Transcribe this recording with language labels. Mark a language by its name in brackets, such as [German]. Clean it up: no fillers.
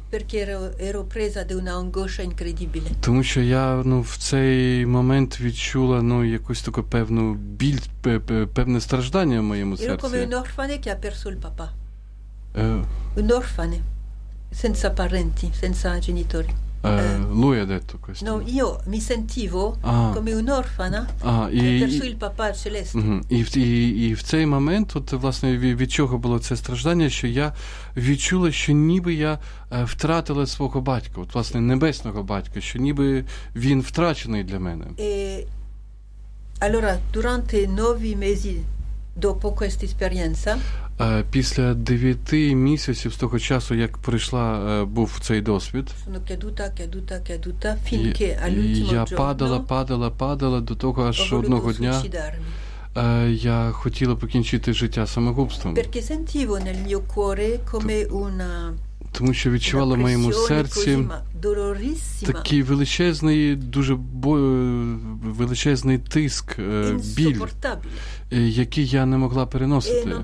[Italian] Perché ero presa da una angoscia incredibile. [Ukrainian] Тому що я, ну, в цей момент відчула, ну, якусь таку певну біль, певне страждання в моєму серці. [Italian] Ero come un orfane che ha perso il papà. Un orfane. Senza parenti, senza genitori. Lui ha detto questo. No, io mi sentivo come un'orfana verso il papà celeste. [Ukrainian] І в цей момент, от, власне, від чого було це страждання, що я відчула, що ніби я втратила свого батька, от, власне, небесного батька, що ніби він втрачений для мене. [Italian] E allora, durante 9 mesi dopo questa esperienza, [Ukrainian] після 9 місяців з того часу, як прийшла, був цей досвід, [Italian] caduta, finché all'ultimo giorno, [Ukrainian] я падала до того, що одного дня я хотіла покінчити життя самогубством. [Italian] Perché sentivo nel mio cuore come una [Ukrainian] тому що відчувала в моєму серці такий величезний, дуже величезний тиск, біль, який я не могла переносити.